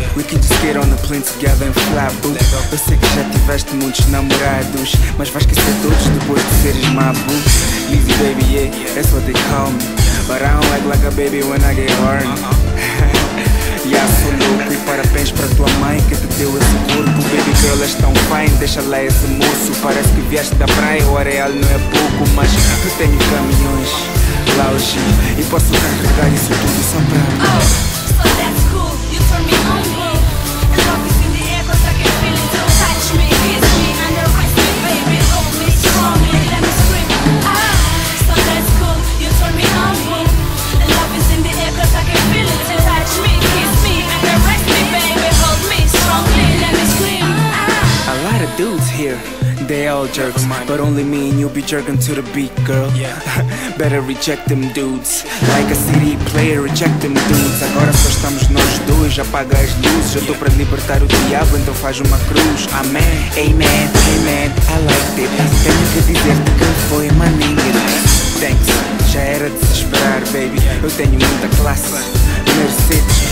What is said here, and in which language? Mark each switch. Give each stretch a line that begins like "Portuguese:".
English: We can just get on the plane together and fly, boo.
Portuguese: Eu sei que já tiveste muitos namorados, mas vais esquecer todos depois de seres má, boo.
English: Easy baby, yeah, that's what they call me. But I don't act like a baby when I get horny.
Portuguese: Yeah, sou louco e parabéns pra tua mãe que te deu esse corpo.
English: Baby girl,
Portuguese: és tão fine, deixa lá esse moço. Parece que vieste da praia, o areal não é pouco. Mas eu tenho caminhões, lounge, e posso carregar isso tudo só pra mim.
English: Oh, so that's cool, you turn me on, bro. And love is in the air, cause I can feel it. Don't touch me, kiss me, underwrite me, baby. Hold me strongly, let me scream. Oh, so that's cool, you turn me on, bro. And love is in the air, cause I can feel it. Don't touch me, kiss me, underwrite me, baby. Hold me strongly, let me scream. A lot of dudes here, they all jerks, but only me and you'll be jerking to the beat, girl. Better reject them dudes, like a CD player, reject them dudes.
Portuguese: Agora só estamos nós dois, apaga as luzes. Eu tô pra libertar o diabo, então faz uma cruz. Amém, amen, amen,
English: I like it.
Portuguese: Tenho que dizer-te que foi uma ninja. Thanks, já era de se esperar, baby. Eu tenho muita classe, Mercedes.